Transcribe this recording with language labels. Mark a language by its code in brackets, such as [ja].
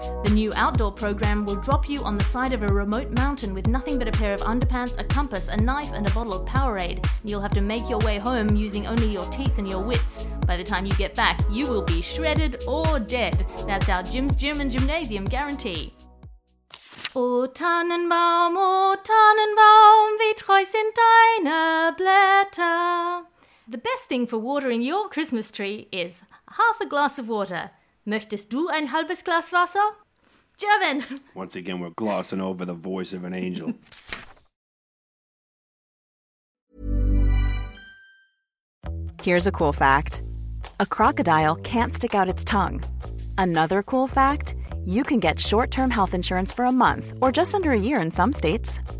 [en] The new outdoor program will drop you on the side of a remote mountain with nothing but a pair of underpants, a compass, a knife, and a bottle of Powerade. You'll have to make your way home using only your teeth and your wits. By the time you get back, you will be shredded or dead. That's our Jim's Gym and Gymnasium guarantee. [de] O Tannenbaum, O Tannenbaum, wie treu sind deine Blätter. [en] The best thing for watering your Christmas tree is half a glass of water. [de] Möchtest du ein halbes Glas Wasser? [en] German! Once again, we're glossing over the voice of an angel. Here's a cool fact. A crocodile can't stick out its tongue. Another cool fact, you can get short-term health insurance for a month or just under a year in some states.